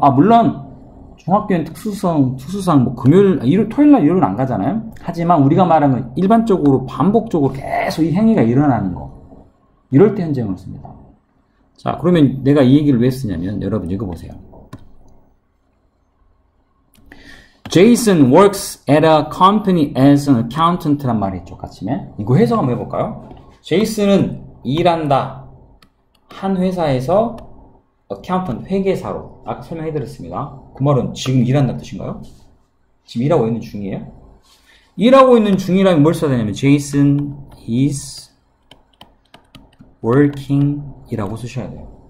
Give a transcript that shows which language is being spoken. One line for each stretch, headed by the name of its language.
Korean: 아, 물론 중학교는 특수상 뭐 금요일 일요일 토요일 날 일요일은 안 가잖아요. 하지만 우리가 말하는 일반적으로 반복적으로 계속 이 행위가 일어나는 거. 이럴 때 현재형을 씁니다. 자, 그러면 내가 이 얘기를 왜 쓰냐면 여러분 읽어 보세요.
English: Jason works at a company as an accountant란
Korean: 말이 있죠, 아침에. 이거 해석 한번 해볼까요? Jason은 일한다. 한 회사에서 accountant, 회계사로. 아까 설명해드렸습니다. 그 말은 지금 일한다는 뜻인가요? 지금 일하고 있는 중이에요? 일하고 있는 중이라면 뭘 써야 되냐면,
English: Jason is working
Korean: 이라고 쓰셔야 돼요.